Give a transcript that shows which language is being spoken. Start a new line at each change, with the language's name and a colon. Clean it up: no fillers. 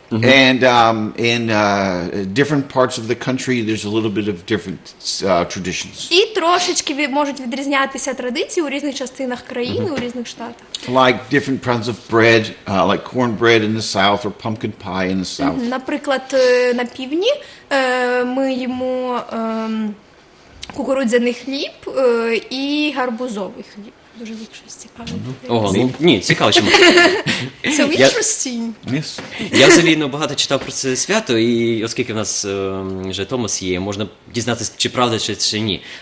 English: And in different parts of the country there's a little bit of different traditions.
Ukrainian: І трошечки можуть відрізнятися традиції у різних частинах країни, у різних штатах.
English: Like different kinds of bread, like cornbread in the south or pumpkin pie in the south.
Ukrainian: Наприклад, на півдні ми їмо кукурудзяний хліб і гарбузовий хліб. Дуже дуже цікаво. Ого, ну, ні, цікаво, чому.
English: So interesting.
Ukrainian: Я взагалі багато читав про це свято, і оскільки в нас вже Томас є, можна дізнатися, чи правда, чи ні.